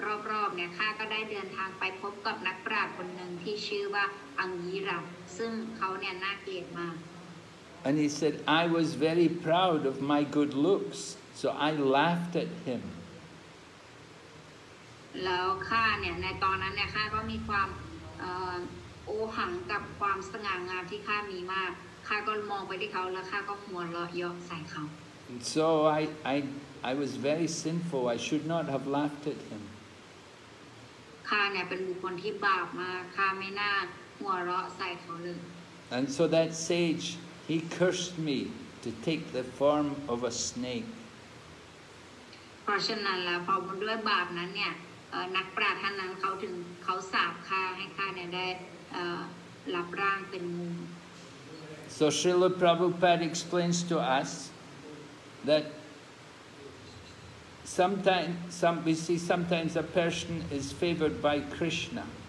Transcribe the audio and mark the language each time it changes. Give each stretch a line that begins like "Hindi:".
Thai: รอบๆ เนี่ย ข้า ก็ ได้ เดิน ทาง ไป พบ กับ นัก ปราชญ์ คน นึง ที่ ชื่อ ว่า อังกีระ ซึ่ง เขา เนี่ย น่า เกลียด มาก
English: And he said, I was very proud of my good looks, so I laughed at him.
Thai: แล้ว ข้า เนี่ย ใน ตอนนั้น เนี่ย ข้า ก็ มี ความ โอหัง กับ ความ สง่า งาม ที่ ข้า มี มาก ข้า ก็ มอง ไป ที่ เขา แล้ว ข้า ก็ หัว เราะ ยอก ใส่ เขา
English: And so I was very sinful. I should not have laughed at him.
Thai: ข้าเนี่ยเป็นบุคคลที่บาปมากข้าไม่น่าหัวเราะใส่เขาเลย
English: And so that sage he cursed me to take the form of a snake
Thai: เพราะฉะนั้นละพอด้วยบาปนั้นเนี่ยนักปราชญ์ท่านนั้นเขาถึงเขาสาปข้าให้ข้าเนี่ยได้รับร่างเป็นงู
English: So Srila Prabhupada explains to us thatSometimes a person is favored by Krishna.